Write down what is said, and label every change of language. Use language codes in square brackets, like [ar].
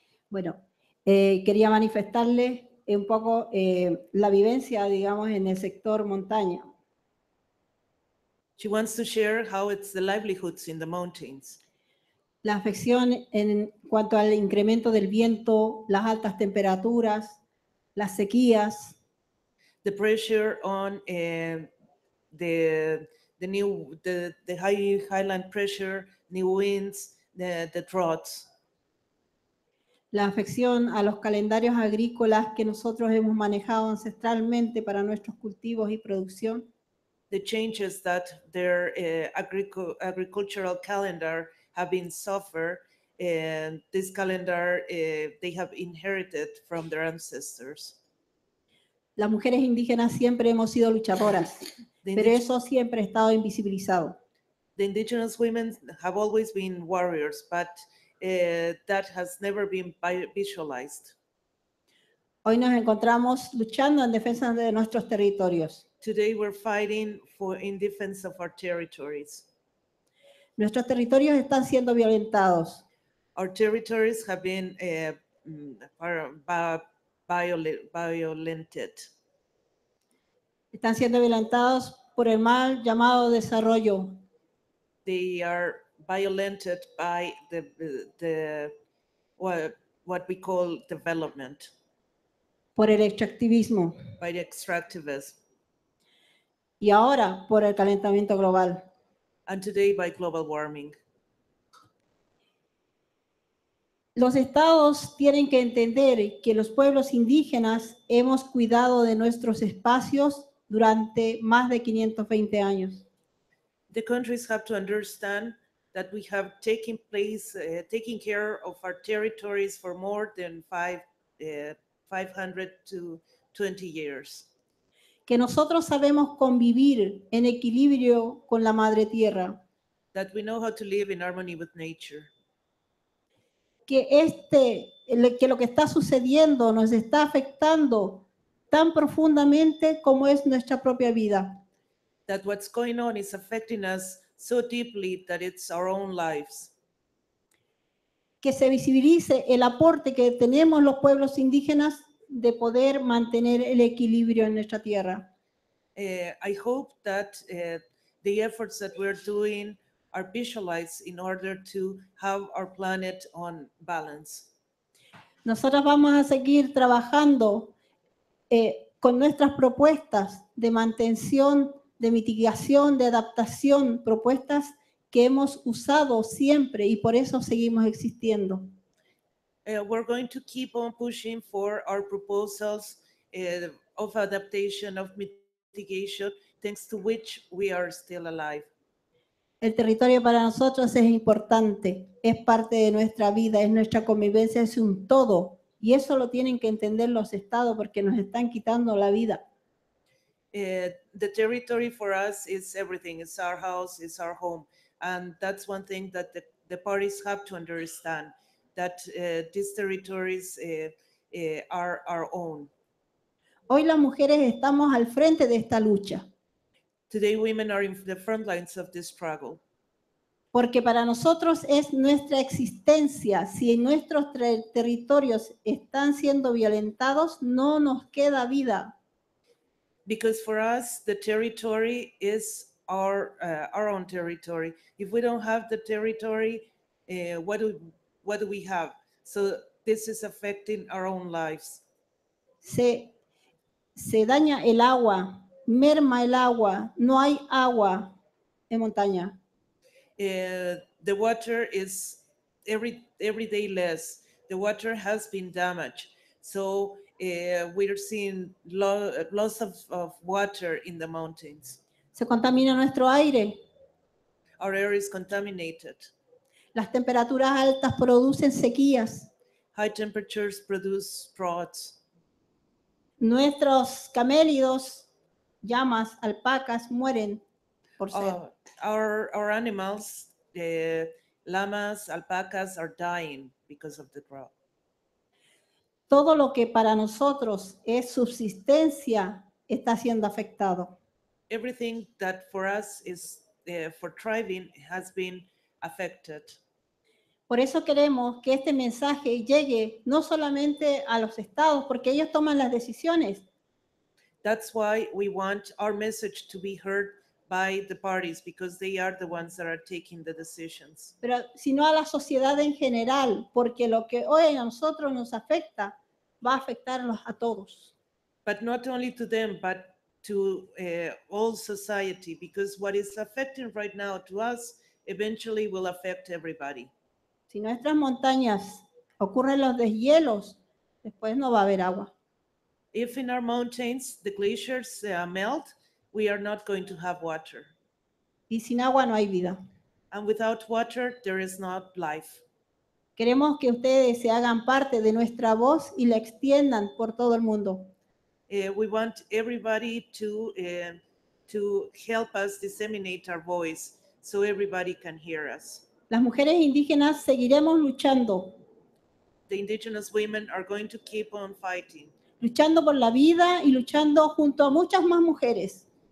[es] Bueno, quería manifestarle un poco la vivencia, digamos, en el sector montaña. [en] She wants to share how it's the livelihoods in the mountains. [es] La afección en cuanto al incremento del viento, las altas temperaturas, las sequías. [en] The pressure on the highland pressure, new winds, the droughts. [es] La afección a los calendarios agrícolas que nosotros hemos manejado ancestralmente para nuestros cultivos y producción. [en] The changes that their agricultural calendar have been suffered, and this calendar they have inherited from their ancestors. [es] Las mujeres indígenas siempre hemos sido luchadoras, pero eso siempre ha estado invisibilizado. [en] The indigenous women have always been warriors, but that has never been visualized. [es] Hoy nos encontramos luchando en defensa de nuestros territorios. [en] Today we're fighting in defense of our territories. [es] Nuestros territorios están siendo violentados. [en] Our territories have been violated. [es] Están siendo violentados por el mal llamado desarrollo. [en] They are violated by the what we call development. [es] Por el extractivismo. [en] By the extractivism. [es] Y ahora por el calentamiento global. [en] And today by global warming. [es] Los estados tienen que entender que los pueblos indígenas hemos cuidado de nuestros espacios durante más de 520 años. [en] The countries have to understand that we have taken place, taking care of our territories for more than 520 years. [es] Que nosotros sabemos convivir en equilibrio con la madre tierra. [en] That we know how to live in harmony with nature. [es] Que este, que lo que está sucediendo nos está afectando tan profundamente como es nuestra propia vida. [en] That what's going on is affecting us so deeply that it's our own lives. [es] Que se visibilice el aporte que tenemos los pueblos indígenas de poder mantener el equilibrio en nuestra tierra. [en] I hope that the efforts that we're doing are visualized in order to have our planet on balance. [es] Nosotros vamos a seguir trabajando con nuestras propuestas de mantención, de mitigación, de adaptación, propuestas que hemos usado siempre y por eso seguimos existiendo. [en] We're going to keep on pushing for our proposals of adaptation, of mitigation, thanks to which we are still alive. [es] El territorio para nosotros es importante, es parte de nuestra vida, es nuestra convivencia, es un todo. Y eso lo tienen que entender los estados porque nos están quitando la vida. [en] The territory for us is everything. It's our house, it's our home. And that's one thing that the parties have to understand, that these territories are our own. [es] Hoy las mujeres estamos al frente de esta lucha. [en] Today women are in the front lines of this struggle. [es] Porque para nosotros es nuestra existencia. Si en nuestros territorios están siendo violentados, no nos queda vida. [en] Because for us, the territory is our own territory. If we don't have the territory, what do we have? So this is affecting our own lives. [es] Se daña el agua, merma el agua, no hay agua en montaña. [en] The water is every day less. The water has been damaged. So we're seeing loss of water in the mountains. [es] Se contamina nuestro aire. [en] Our air is contaminated. [es] Las temperaturas altas producen sequías. [en] High temperatures produce droughts. [es] Nuestros camélidos, llamas, alpacas mueren por sed. [en] Our animals, llamas, alpacas, are dying because of the drought. [es] Todo lo que para nosotros es subsistencia está siendo afectado. [en] Everything that for us is for thriving has been affected. [es] Por eso queremos que este mensaje llegue no solamente a los estados, porque ellos toman las decisiones. [en] That's why we want our message to be heard by the parties, because they are the ones that are taking the decisions. [es] Pero sino a la sociedad en general, porque lo que hoy a nosotros nos afecta va a afectarnos a todos. [en] But not only to them, but to all society, because what is affecting right now to us eventually will affect everybody. [es] Si nuestras montañas ocurren los deshielos, después no va a haber agua. [en] If in our mountains the glaciers melt, we are not going to have water. [es] Y sin agua no hay vida. [en] And without water, there is not life. [es] Queremos que ustedes se hagan parte de nuestra voz y la extiendan por todo el mundo. [en] We want everybody to help us disseminate our voice so everybody can hear us. [es] Las mujeres indígenas seguiremos luchando. [en] The indigenous women are going to keep on fighting. [es] Luchando por la vida y luchando junto a muchas más mujeres.